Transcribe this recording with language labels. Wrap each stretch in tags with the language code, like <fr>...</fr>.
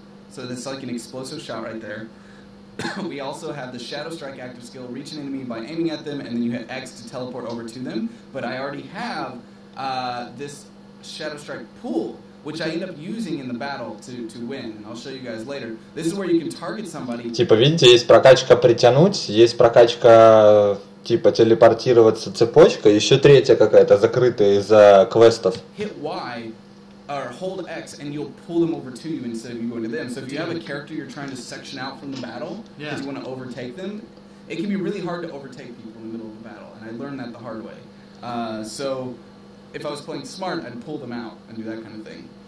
<en>So that's like an explosive shot right there. We also have the Shadow Strike active skill, reach an enemy by aiming at them, and then you hit X to teleport over to them. But I already have this Shadow Strike pool, which I end up using in the battle to win. And I'll show you guys later. This is where you can target somebody.</en> <ru>Типа, видите, есть прокачка притянуть, есть прокачка типа телепортироваться цепочка, еще третья какая-то закрытая из-за квестов.</ru> <en>Hit Y. Or hold X and you'll pull them over to you instead of you going to them. So if you have a character you're trying to section out from the battle because you want to overtake them, it can be really hard to overtake people in the middle of the battle. And I learned that the hard way. So if I was playing smart, I'd pull them out and do that kind of thing.</en>